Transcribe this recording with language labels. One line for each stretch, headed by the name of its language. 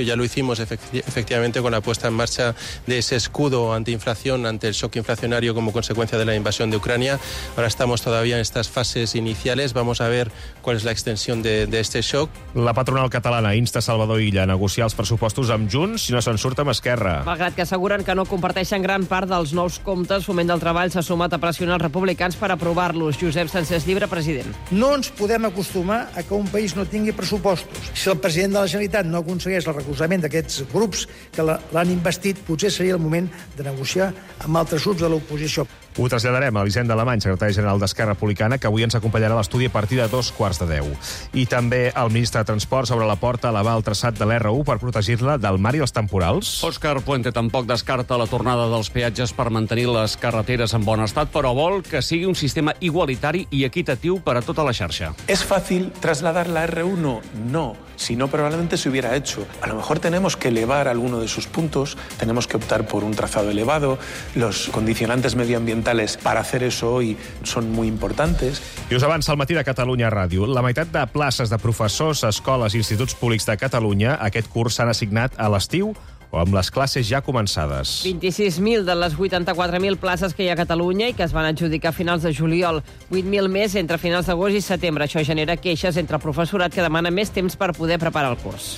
Spanish: Ya lo hicimos efectivamente con la puesta en marcha de ese escudo antiinflación ante el shock inflacionario como consecuencia de la invasión de Ucrania. Ahora estamos todavía en estas fases iniciales. Vamos a ver cuál es la extensión de este shock.
Catalan: La patronal catalana insta Salvador Illa a negociar els pressupostos amb Junts si no se'n surt amb Esquerra. Malgrat que asseguren que no comparteixen gran part dels nous comptes, Foment del Treball s'ha sumat a pressionar els republicans per aprovar-los. Josep Sánchez Llibre, president. No ens podem acostumar a que un país no tingui pressupostos. Si el president de la Generalitat no aconsegueix el recolzament d'aquests grups que l'han investit, potser seria el moment de negociar amb altres grups de l'oposició. Ho traslladarem a l'Hisenda Alemany, secretari general d'Esquerra Republicana, que avui ens acompanyarà a l'estudi a partir de 9:45. I també el ministre de Transport sobre la porta a l'aval traçat de l'R1 per protegir-la del mar i els temporals. Òscar Puente tampoc descarta la tornada dels peatges per mantenir les carreteres en bon estat, però vol que sigui un sistema igualitari i equitatiu per a tota la xarxa.
Spanish: ¿Es fácil trasladar la R1? No. Si no, probablemente se hubiera hecho. A lo mejor tenemos que elevar alguno de sus puntos, tenemos que optar por un trazado elevado, los condicionantes medioambientales para hacer eso hoy son muy importantes.
Catalan: I us avança el matí de Catalunya Ràdio. La meitat de places de professors, escoles i instituts públics de Catalunya aquest curs s'han assignat a l'estiu o amb les classes ja començades. 26.000 de les 84.000 places que hi ha a Catalunya i que es van adjudicar a finals de juliol. 8.000 més entre finals d'agost i setembre. Això genera queixes entre el professorat que demana més temps per poder preparar el curs.